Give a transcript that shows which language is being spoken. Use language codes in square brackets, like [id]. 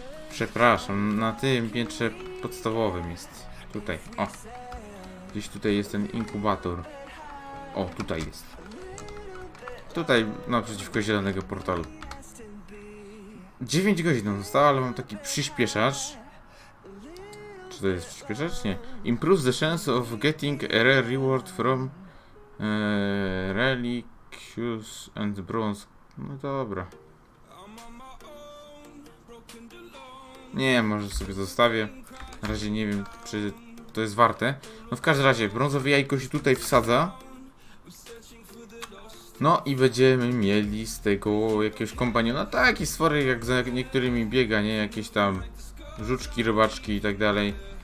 [pl] Przepraszam, na tym piętrze podstawowym jest. Tutaj, o. Gdzieś tutaj jest ten inkubator. O, tutaj jest. Tutaj, naprzeciwko zielonego portalu. 9 godzin zostało, ale mam taki przyspieszacz. Czy to jest przyspieszacz? Nie. [en] Improves the chance of getting a rare reward from Relicus and Bronze. [pl] No dobra. Nie, może sobie zostawię. Na razie nie wiem, czy to jest warte. No w każdym razie, brązowe jajko się tutaj wsadza. No i będziemy mieli z tego jakiegoś kompaniona. Taki stwory jak za niektórymi biega, nie? Jakieś tam żuczki, rybaczki i tak dalej.